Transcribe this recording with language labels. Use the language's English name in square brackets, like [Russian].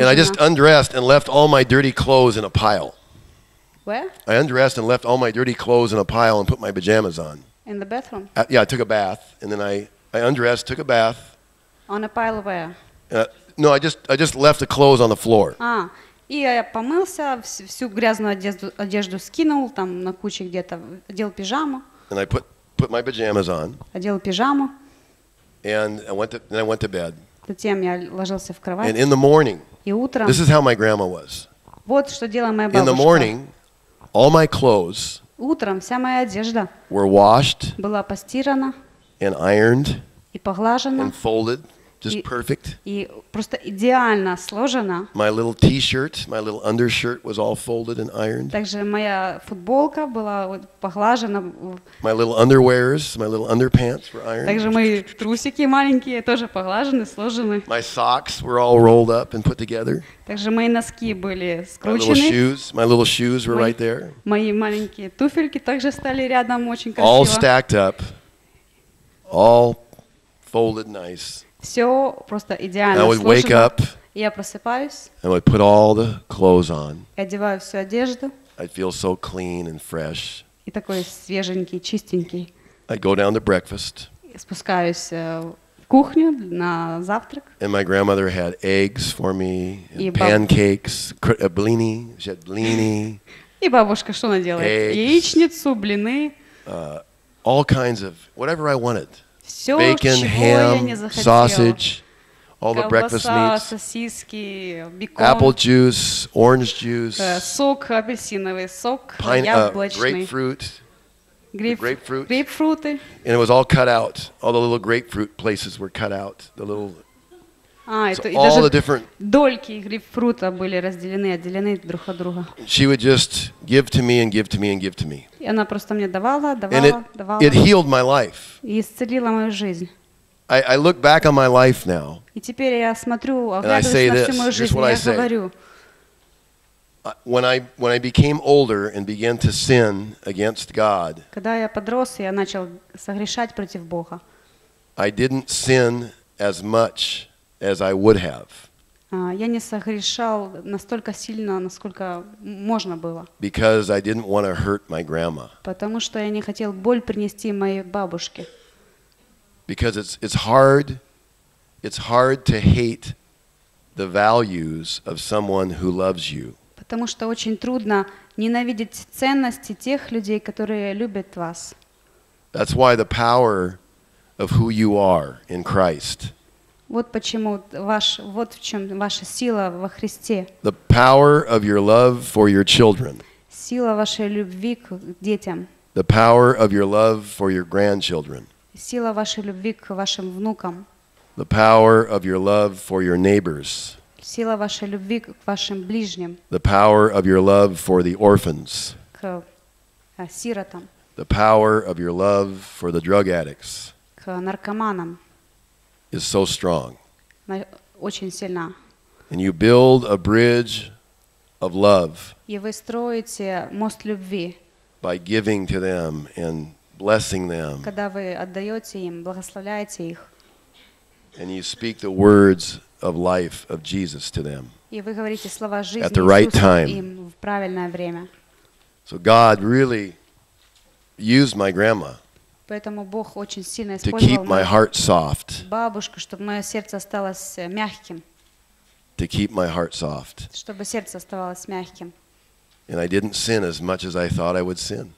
[English] And I just undressed and left all my dirty clothes in a pile. Where? I undressed and left all my dirty clothes in a pile and put my pajamas on. In the bathroom? Yeah, I took a bath. And then I undressed, took a bath. On a pile of where? No, I just left the clothes on the floor. [Russian] И я помылся, всю грязную одежду скинул, там на куче где-то, одел пижаму. [English] And I put my pajamas on. [Russian] Одел пижаму. [English] And I went to bed. [Russian] Затем я ложился в кровать. [English] And in the morning, [Russian] и утром, [English] this is how my grandma was. [Russian] Вот что делала моя бабушка. [English] In the morning, all my clothes, [Russian] утром вся моя одежда, [English] were washed, [Russian] была постирана, [English] and ironed, [Russian] и поглажена, [English] and folded. Just perfect. [Russian] И просто идеально сложено. [English] My little T-shirt, my little undershirt was all folded and ironed. [Russian] Также моя футболка была поглажена. [English] My little underwears, my little underpants were ironed. [Russian] Также мои трусики маленькие тоже поглажены, сложены. [English] My socks were all rolled up and put together. [Russian] Также мои носки были скручены. [English] My little shoes were right there. [Russian] Мои маленькие туфельки также стали рядом очень красиво. [English] All stacked up. All folded nice. [Russian] Все просто идеально сложено. [English] Up, [Russian] я просыпаюсь. [English] And I would put all the clothes on. [Russian] Я одеваю всю одежду. [English] I'd feel so clean and fresh. [Russian] И такой свеженький, чистенький. [English] I'd go down to breakfast. [Russian] Спускаюсь в кухню на завтрак. [English] And my grandmother had eggs for me, and pancakes, blini. She had blini. [Russian] И бабушка что она делает? [English] Eggs, [Russian] яичницу, блины. [English] All kinds of whatever I wanted. [Russian] Все, [English] bacon, ham, sausage, all the breakfast meats, [Russian] сосиски, бекон, [English] apple juice, orange juice, [Russian] сок, апельсиновый сок, яблочный, [English] grapefruit. And it was all cut out. All the little grapefruit places were cut out. The little all the different [Russian] дольки грейпфрута были разделены, отделены друг от друга. [English] She would just give to me and give to me and give to me. [Russian] И она просто мне давала. [English] It healed my life. [Russian] И исцелила мою жизнь. [English] I look back on my life now. [Russian] И теперь я смотрю, оглядываюсь на всю мою жизнь и говорю. [English] When I became older and began to sin against God. [Russian] Когда я подрос и я начал согрешать против Бога. [English] I didn't sin as much as I would have. [Russian] Я не согрешал настолько сильно, насколько можно было. [English] Because I didn't want to hurt my grandma. [Russian] Потому что я не хотел боль принести моей бабушке. [English] Because it's hard to hate the values of someone who loves you. [Russian] Потому что очень трудно ненавидеть ценности тех людей, которые любят вас. [English] That's why the power of who you are in Christ. [Russian] Вот почему вот в чем ваша сила во Христе. [English] The power of your love for your children. [Russian] Сила вашей любви к детям. [English] The power of your love for your grandchildren. [Russian] Сила вашей любви к вашим внукам. [English] The power of your love for your neighbors. [Russian] Сила вашей любви к вашим ближним. [English] The power of your love for the orphans. [Russian] К сиротам. [English] The power of your love for the drug addicts. [Russian] К наркоманам. [English] Is so strong. [Russian] Очень сильна. [English] And you build a bridge of love. [Russian] И вы строите мост любви. [English] By giving to them and blessing them. [Russian] Когда вы отдаёте им, благословляете их. [English] And you speak the words of life of Jesus to them. [Russian] И вы говорите слова жизни [English] Иисуса. At the right time. [Russian] Им в правильное время. [English] So God really used my grandma. [Russian] Поэтому Бог очень сильно использовал [English] to keep my heart soft. [Russian] Бабушку, чтобы моё сердце осталось мягким. [English] To keep my heart soft. [Russian] Чтобы сердце оставалось мягким. [English] And I didn't sin as much as I thought I would sin.